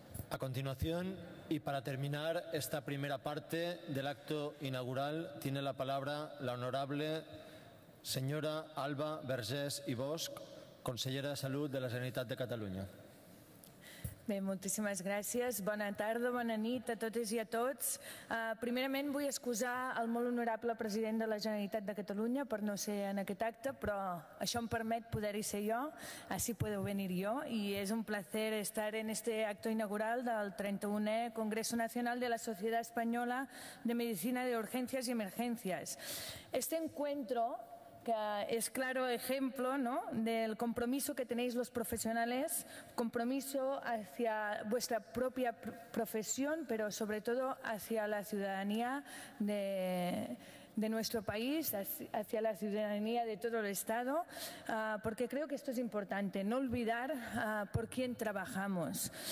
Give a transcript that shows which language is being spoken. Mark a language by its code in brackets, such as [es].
[es] A continuación, y para terminar esta primera parte del acto inaugural, tiene la palabra la honorable señora Alba Vergés i Bosch, consellera de Salud de la Generalitat de Cataluña. [ca] Bé, moltíssimes gràcies. Bona tarda, bona nit a totes i a tots. Primerament vull excusar el molt honorable president de la Generalitat de Catalunya per no ser en aquest acte, però això em permet poder-hi ser jo, així podeu venir jo. I és [es] un placer estar en este acto inaugural del 31è Congreso Nacional de la Sociedad Española de Medicina de Urgencias y Emergencias. Este encuentro, que es claro ejemplo, ¿no?, del compromiso que tenéis los profesionales, compromiso hacia vuestra propia profesión, pero sobre todo hacia la ciudadanía de nuestro país, hacia la ciudadanía de todo el Estado, porque creo que esto es importante, no olvidar por quién trabajamos.